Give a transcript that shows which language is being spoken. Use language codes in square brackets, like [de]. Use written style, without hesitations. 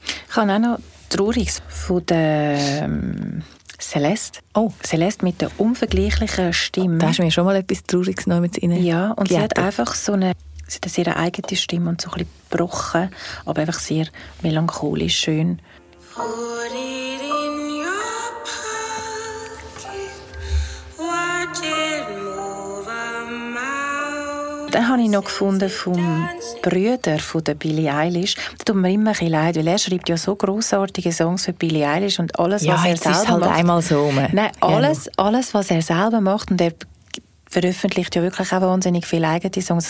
[de] Ich habe auch noch Trauriges von der Celeste. Oh, Celeste mit der unvergleichlichen Stimme. Da hast du mir schon mal etwas Trauriges noch mit rein. Ja, und sie hat einfach so eine, sie hat ihre eigene Stimme und so ein bisschen gebrochen, aber einfach sehr melancholisch, schön. [en] Put it in your pocket, watch it move a mouse. [de] Dann habe ich noch gefunden vom Brüder von der Billie Eilish. Da tut mir immer ein leid, weil er schreibt ja so grossartige Songs für Billie Eilish und alles, ja, was er selber macht. Ja, ist halt einmal so rum. Nein, alles, ja, alles, was er selber macht, und er veröffentlicht ja wirklich auch wahnsinnig viele eigene Songs.